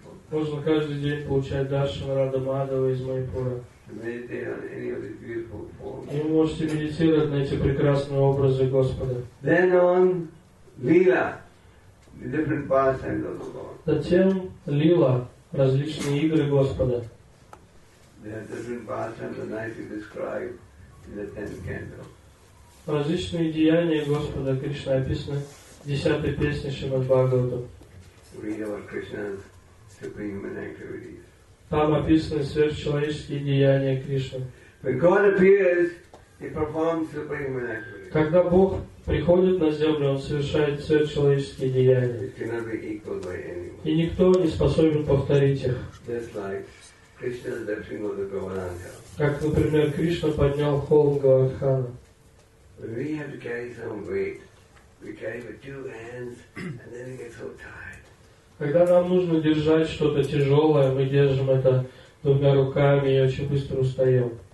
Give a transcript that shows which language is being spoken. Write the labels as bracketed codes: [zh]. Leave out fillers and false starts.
[ru] Можно каждый день получать даршан Рада Мадава из Майпура. И вы можете медитировать на эти прекрасные образы Господа. [en] Then on Lila, the different pastimes of the Lord. [ru] Затем лила различные игры Господа. [en] There are different pastimes that nicely described in the 10th canto. [ru] Различные деяния Господа Кришны описаны в 10-й песне Шримад-Бхагаватам. [en] Read about Krishna's supreme activities. [ru] Там описаны сверхчеловеческие деяния Кришны. [en] When God appears, He performs supreme activities. [ru] Когда Бог приходит на землю, Он совершает сверхчеловеческие деяния. [en] It cannot be equaled by anyone. [ru] И никто не способен повторить их. [en] Just like Krishna's lifting of the Govardhana. [ru] Как, например, Кришна поднял холм Говардхана. [en] When we have to carry some weight, we carry with two hands, and then we get so tired. [ru] Когда нам нужно держать что-то тяжелое, мы держим это двумя руками и очень быстро устаем.